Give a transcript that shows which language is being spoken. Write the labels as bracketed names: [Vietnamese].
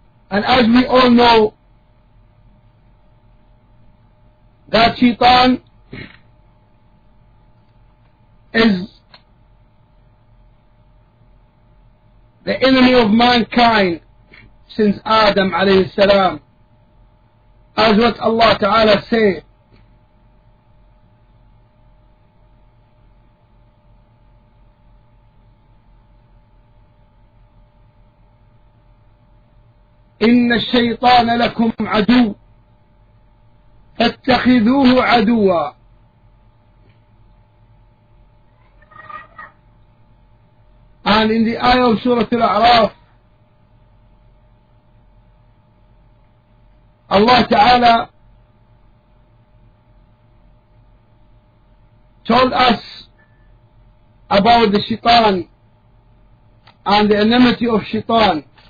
[English] And as we all know, that shaitan is the enemy of mankind since Adam alayhi salam. As what Allah Ta'ala say, [Arabic] إِنَّ الشَّيْطَانَ لَكُمْ عَدُوٌّ فَاتَّخِذُوهُ عَدُوًّا. [English] And in the ayah of Surah Al-A'raf, Allah Ta'ala told us about the shaitan and the enmity of shaitan.